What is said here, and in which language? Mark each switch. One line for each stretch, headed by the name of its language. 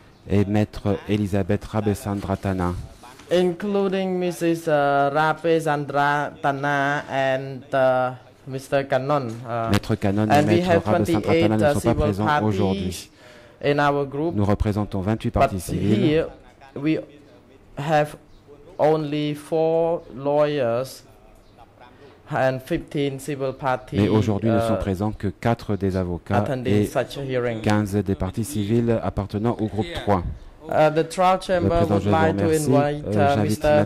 French: et Maître Elisabeth Rabesandratana.
English: Including Mrs. Rabesandratana and Mr. Cannon,
French: Maître Cannon et Maître Rabesandratana ne sont pas présents aujourd'hui.
English: In our group,
French: nous représentons 28 parties civiles.
English: Here we have only four lawyers and 15 civil parties.
French: Mais aujourd'hui, ne sont présents que 4 des avocats et 15 des parties civiles appartenant au groupe 3.
English: The trial chamber would like to invite Mr.